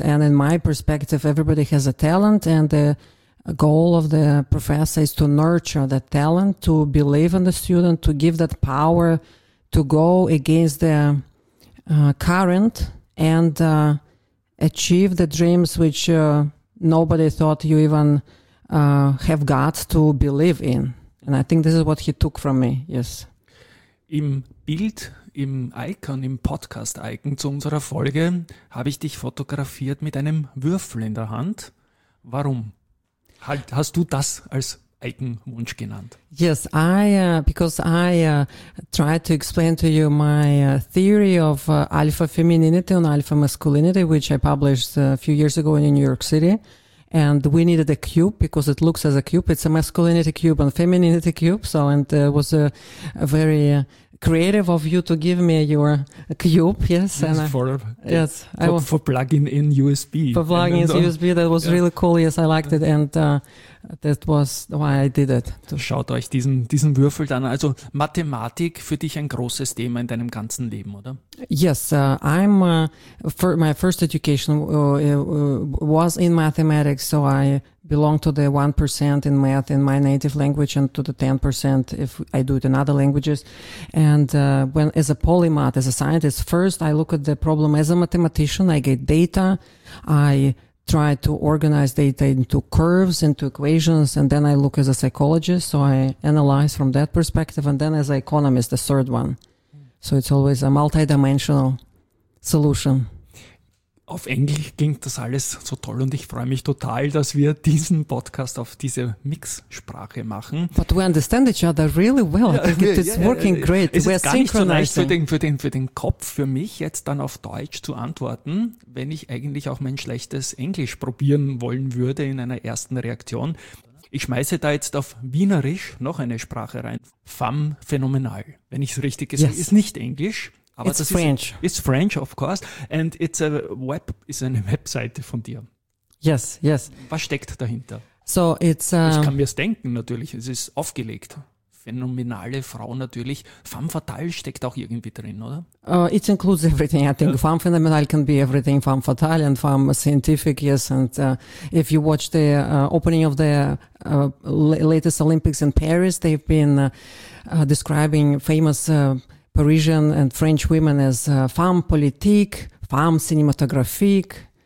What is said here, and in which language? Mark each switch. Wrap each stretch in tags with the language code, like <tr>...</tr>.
<en>And in my perspective, everybody has a talent, and the a goal of the professor is to nurture that talent, to believe in the student, to give that power to go against the current and achieve the dreams which nobody thought you even have got to believe in. And I think this is what he took from me, yes.</en> <de>Im Bild, im Icon, im Podcast-Icon zu unserer Folge, habe ich dich fotografiert mit einem Würfel in der Hand. Warum? Hast du das als Eigenwunsch genannt?</de> <en>Yes, I because I tried to explain to you my theory of alpha femininity and alpha masculinity, which I published a few years ago in New York City. And we needed a cube because it looks as a cube. It's a masculinity cube and femininity cube. So, and it was a very creative of you to give me your cube. Yes. And For plugging in USB. For plugging in USB. That was really cool. Yes, I liked it. And that was why I did it.</en> <de>Schaut euch diesen Würfel dann. Also Mathematik für dich ein großes Thema in deinem ganzen Leben, oder?</de> <en>Yes, I'm for my first education was in mathematics, so I belong to the 1% in math in my native language and to the 10% if I do it in other languages. And when as a polymath, as a scientist, first I look at the problem as a mathematician. I get data, I try to organize data into curves, into equations, and then I look as a psychologist, so I analyze from that perspective, and then as an economist, the third one. So it's always a multidimensional solution.</en> <de>Auf Englisch klingt das alles so toll und ich freue mich total, dass wir diesen Podcast auf diese Mixsprache machen.</de> <en>But we understand each other really well. It's working great.</en> <de>Es ist gar nicht so leicht für den Kopf, für mich jetzt dann auf Deutsch zu antworten, wenn ich eigentlich auch mein schlechtes Englisch probieren wollen würde in einer ersten Reaktion. Ich schmeiße da jetzt auf Wienerisch noch eine Sprache rein. Femme phänomenal, wenn ich es richtig sehe, ist nicht Englisch.</de> <en>Aber it's French. It's French, of course. And it's a web,</en> <de>ist eine Webseite von dir.</de> <en>Yes, yes.</en> <de>Was steckt dahinter?</de> <en>So it's.</en> <de>Ich kann mir es denken, natürlich. Es ist aufgelegt. Phänomenale Frau natürlich. Femme fatale steckt auch irgendwie drin, oder?</de> <en>It includes everything. I think femme phänomenal can be everything. Femme fatale and femme scientific, yes. And if you watch the opening of the latest Olympics in Paris, they've been describing famous Parisian and French women as femme politique, femme cinématographique,</en>